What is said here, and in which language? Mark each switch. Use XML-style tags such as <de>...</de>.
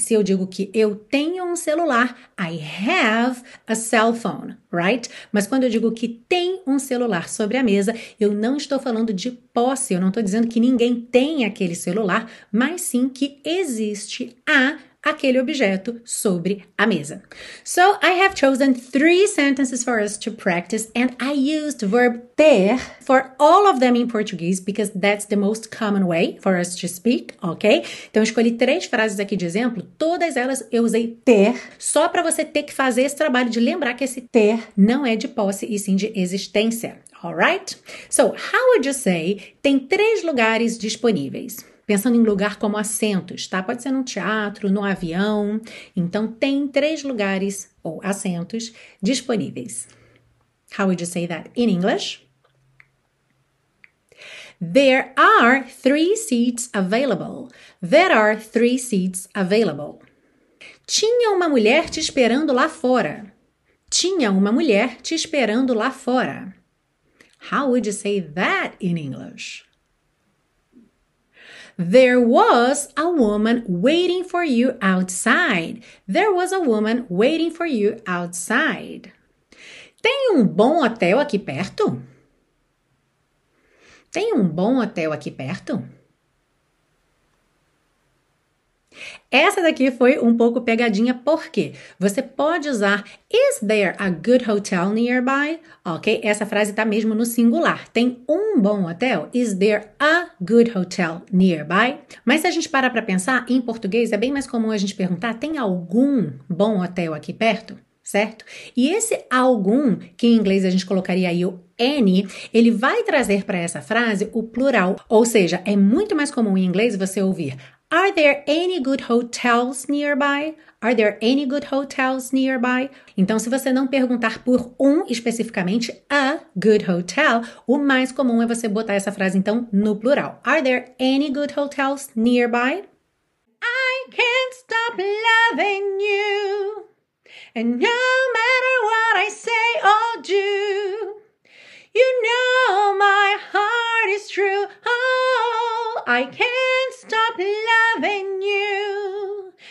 <pt>Se eu digo que eu tenho um celular,</pt> <en>I have a cell phone, right?</en> <pt>Mas quando eu digo que tem um celular sobre a mesa, eu não estou falando de posse, eu não estou dizendo que ninguém tem aquele celular, mas sim que existe a aquele objeto sobre a mesa.</pt> <en>So, I have chosen 3 sentences for us to practice, and I used verb ter for all of them in Portuguese, because that's the most common way for us to speak, ok?</en> <pt>Então, eu escolhi 3 frases aqui de exemplo, todas elas eu usei ter, só para você ter que fazer esse trabalho de lembrar que esse ter não é de posse e sim de existência, alright?</pt> <en>So, how would you say,</en> <pt>tem 3 lugares disponíveis? Pensando em lugar como assentos, tá? Pode ser num teatro, no avião. Então, tem 3 lugares ou assentos disponíveis.</pt> <en>How would you say that in English? There are 3 seats available. There are 3 seats available.</en> <pt>Tinha uma mulher te esperando lá fora. Tinha uma mulher te esperando lá fora.</pt> <en>How would you say that in English? There was a woman waiting for you outside. There was a woman waiting for you outside.</en> <pt>Tem bom hotel aqui perto? Tem bom hotel aqui perto? Essa daqui foi pouco pegadinha, porque você pode usar</pt> <en>Is there a good hotel nearby?</en> <pt>Ok? Essa frase está mesmo no singular. Tem bom hotel?</pt> <en>Is there a good hotel nearby?</en> <pt>Mas se a gente parar para pensar, em português é bem mais comum a gente perguntar tem algum bom hotel aqui perto? Certo? E esse algum, que em inglês a gente colocaria aí o any, ele vai trazer para essa frase o plural. Ou seja, é muito mais comum em inglês você ouvir</pt> <en>Are there any good hotels nearby? Are there any good hotels nearby?</en> <pt>Então, se você não perguntar por especificamente,</pt> <en>a good hotel,</en> <pt>o mais comum é você botar essa frase, então, no plural.</pt> <en>Are there any good hotels nearby? I can't stop loving you. And no matter what I say or do, you know my heart is true. Oh, I can't stop loving you.</en>